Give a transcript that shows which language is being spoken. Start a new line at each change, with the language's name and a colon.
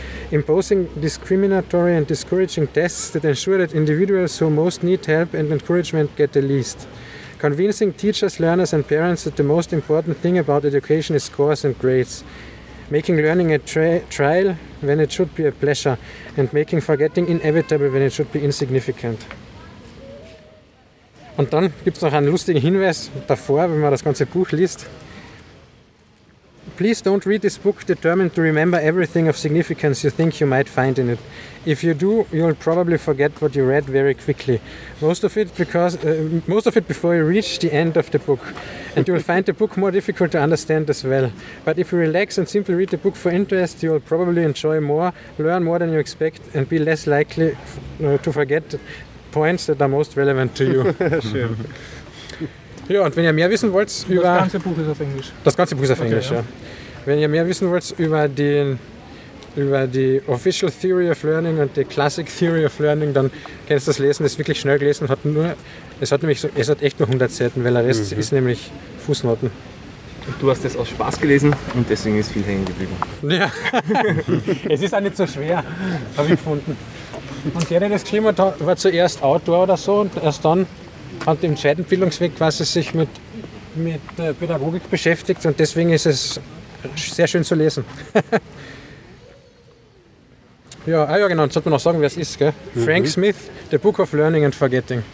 English: Imposing discriminatory and discouraging tests that ensure that individuals who most need help and encouragement get the least. Convincing teachers, learners and parents that the most important thing about education is scores and grades. Making learning a trial when it should be a pleasure. And making forgetting inevitable when it should be insignificant.
German: Und dann gibt es noch einen lustigen Hinweis davor, wenn man das ganze Buch liest.
English: Please don't read this book determined to remember everything of significance you think you might find in it. If you do, you'll probably forget what you read very quickly. Most of it before you reach the end of the book. And you'll find the book more difficult to understand as well. But if you relax and simply read the book for interest, you'll probably enjoy more, learn more than you expect, and be less likely to forget points that are most relevant to you.
German: Schön. Ja, und wenn ihr mehr wissen wollt über... Das ganze Buch ist auf Englisch. Das ganze Buch ist auf Englisch, okay, ja. Wenn ihr mehr wissen wollt über die Official Theory of Learning und die Classic Theory of Learning, dann könnt ihr das lesen. Das ist wirklich schnell gelesen. Es hat echt nur 100 Seiten, weil der Rest ist nämlich Fußnoten. Und du hast das aus Spaß gelesen und deswegen ist viel hängen geblieben. Ja, es ist auch nicht so schwer, habe ich gefunden. Und der das geschrieben hat, war zuerst Outdoor oder so und erst dann... Hat im zweiten Bildungsweg quasi sich mit Pädagogik beschäftigt und deswegen ist es sehr schön zu lesen. Ja, ah ja, genau, jetzt sollte man auch sagen, wer es ist, gell? Mhm.
English: Frank Smith, The Book of Learning and Forgetting.